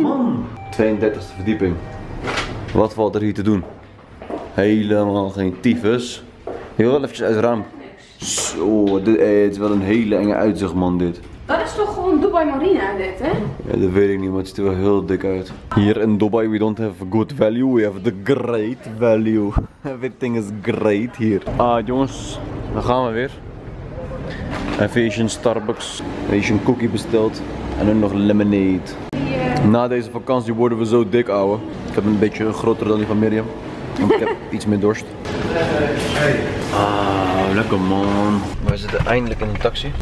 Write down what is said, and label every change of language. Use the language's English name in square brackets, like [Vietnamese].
[Dutch] Man. 32e verdieping. Wat valt er hier te doen? Helemaal geen tyfus. Heel wel eventjes uit het raam. Niks. Zo, dit, het is wel een hele enge uitzicht, man, dit. Dat is toch gewoon Dubai Marina, dit, hè? Ja, dat weet ik niet, maar het ziet er wel heel dik uit. [English] Hier in Dubai, we don't have good value, we have the great value. Everything is great [Dutch] hier. Ah, jongens, dan gaan we weer. Even een Starbucks, een cookie besteld en dan nog lemonade. Yeah. Na deze vakantie worden we zo dik, ouwe. Ik heb een beetje groter dan die van Miriam, want ik heb iets meer dorst. Ah, lekker man. We zitten eindelijk in de taxi.